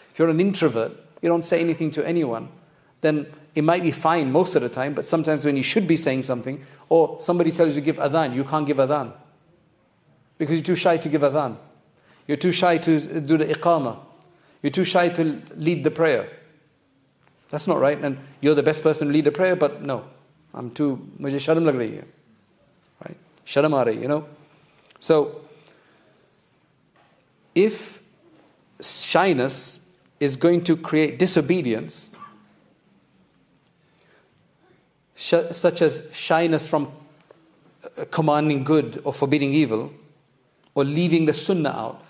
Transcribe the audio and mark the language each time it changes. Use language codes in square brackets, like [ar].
[en] If you're an introvert, you don't say anything to anyone, then it might be fine most of the time, but sometimes when you should be saying something, or somebody tells you to give adhan, you can't give adhan. Because you're too shy to give adhan. You're too shy to do the iqamah. You're too shy to lead the prayer. That's not right. And you're the best person to lead the prayer, but no. I'm too... [ur] مجھے شرم لگ رہی ہے۔ [en] Right? [ur] شرم آ رہی، [en] you know? So, if shyness is going to create disobedience, such as shyness from commanding good or forbidding evil, or leaving the sunnah out.